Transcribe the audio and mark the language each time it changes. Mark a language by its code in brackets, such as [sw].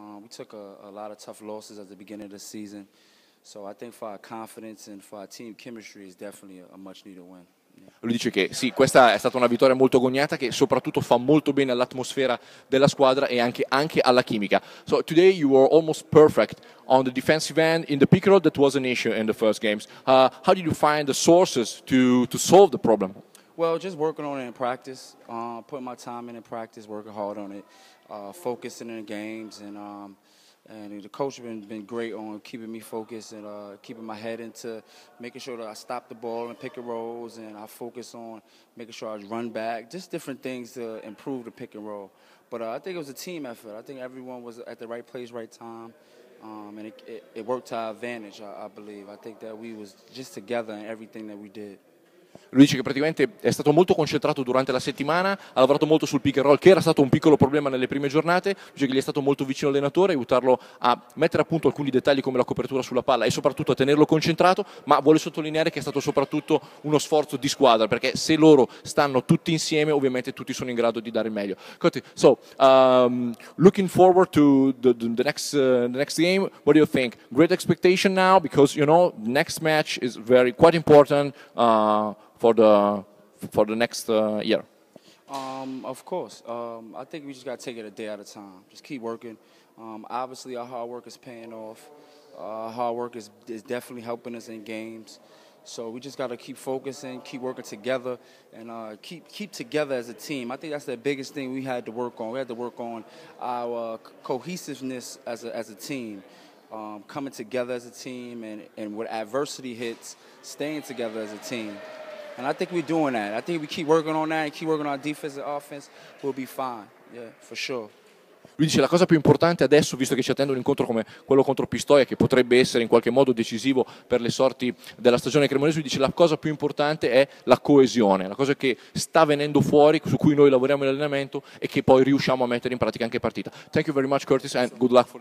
[en] We took a lot of tough losses at the beginning of the season. So I think for our confidence and for our team chemistry is definitely a much needed win. [it] Lui dice che sì, questa è stata una vittoria molto agognata che soprattutto fa molto bene all'atmosfera della squadra e anche alla chimica. [en] So today you were almost perfect on the defensive end in the pick and roll. That was an issue in the first games. How did you find the sources to solve the problem? Well, just working on it in practice, putting my time in practice, working hard on it, focusing in games, and the coach has been great on keeping me focused and keeping my head into making sure that I stop the ball and pick and rolls, and I focus on making sure I run back, just different things to improve the pick and roll. But I think it was a team effort. I think everyone was at the right place, right time, and it worked to our advantage, I believe. I think that we was just together in everything that we did. [it] Lui dice che praticamente è stato molto concentrato durante la settimana, ha lavorato molto sul pick and roll, che era stato un piccolo problema nelle prime giornate. Lui dice che gli è stato molto vicino all'allenatore, aiutarlo a mettere a punto alcuni dettagli come la copertura sulla palla e soprattutto a tenerlo concentrato, ma vuole sottolineare che è stato soprattutto uno sforzo di squadra, perché se loro stanno tutti insieme, ovviamente tutti sono in grado di dare il meglio. [en] So, looking forward to the next game, what do you think? Great expectation now, because you know, next match is very quite important. For the next year? Of course. I think we just got to take it a day at a time. Just keep working. Obviously, our hard work is paying off. Hard work is definitely helping us in games. So we just got to keep focusing, keep working together, and keep together as a team. I think that's the biggest thing we had to work on. We had to work on our cohesiveness as a team. Coming together as a team, and when adversity hits, staying together as a team. And I think we're doing that. I think if we keep working on that and keep working on our defense and offense, we'll be fine. Yeah, for sure. [it] Lui dice la cosa più importante adesso, visto che ci attende un incontro come quello contro Pistoia, che potrebbe essere in qualche modo decisivo per le sorti della stagione cremonese, lui dice la cosa più importante è la coesione, la cosa che sta venendo fuori, su cui noi lavoriamo in allenamento e che poi riusciamo a mettere in pratica anche in partita. [en] Thank you very much, Curtis, and good luck.